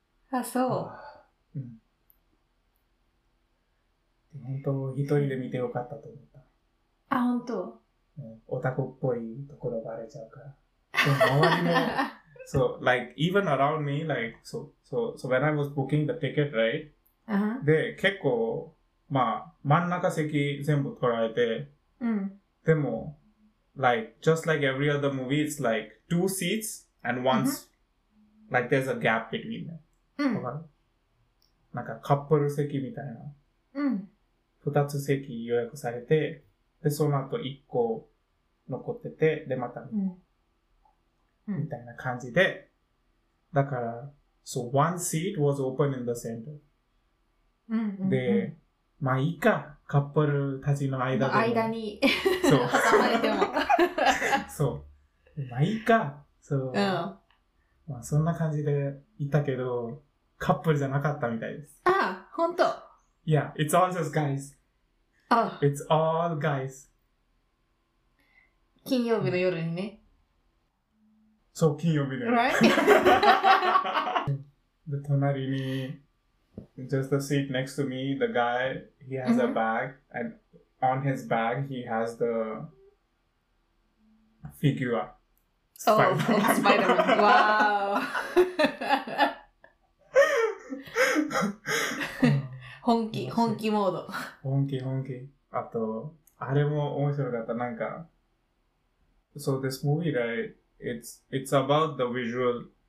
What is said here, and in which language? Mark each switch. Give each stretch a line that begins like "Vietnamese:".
Japanese: あ、そう。うん。本当、一人で見てよかったと思った。あ、本当。オタクっぽいところバレちゃうから。でも周りも、そう、
English: like, even around me, like, so when I was booking the ticket, right?、 Uh-huh.
Japanese: で、結構、まあ、真ん中席全部取られて、うん、でも、
English: like, just like every other movie, it's like two seats and one's,、uh-huh. like, there's a gap between them.
Japanese: わかる？なんかカップル席みたいな。うん。二つ席予約されて、で、その後一個残ってて、で、また、うん、みたいな感じで。だから、
English: so one seat was open in the center.
Japanese: うん、うん、で、まあいいか、カップルたちの間で。間に、そう。挟まれても。そう。まあいいか、そう。うん。まあそんな感じでいたけど、カップルじゃなかったみたいです。あ、本当。
English: Yeah, it's all just guys.
Japanese: あ、
English: it's all guys.
Japanese: 金曜日の夜にね。そう、金曜日で。
English: Right?
Japanese: で、隣に、
English: just a seat next to me, the guy, he has a bag, and on his bag, he has the figure. Spider-Man. Oh, Spider-Man. Wow.
Japanese: 本気モード。本気。あと、あれも面白かった。なんか、
English: so this movie, right, it's about the visual.